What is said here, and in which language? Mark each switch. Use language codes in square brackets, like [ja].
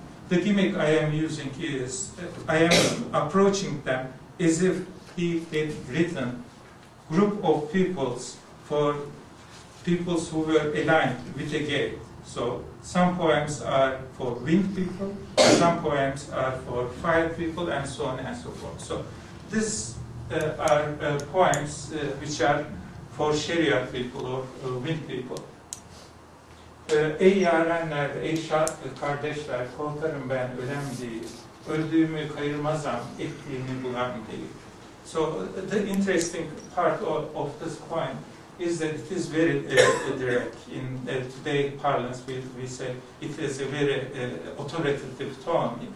[en] The gimmick I am using is, I am approaching them as if he had written group of peoples for peoples who were aligned with a gate. So some poems are for wind people, some poems are for fire people, and so on and so forth. So these are poems which are for Sharia people or wind people. [tr] Ey yarenler, ey şart kardeşler, korkarım ben ölem değil. Öldüğümü kayırmazam, ettiğimi bulam değil. [en] So the interesting part of this poem is that it is very direct. In today parlance, we say it is a very authoritative tone.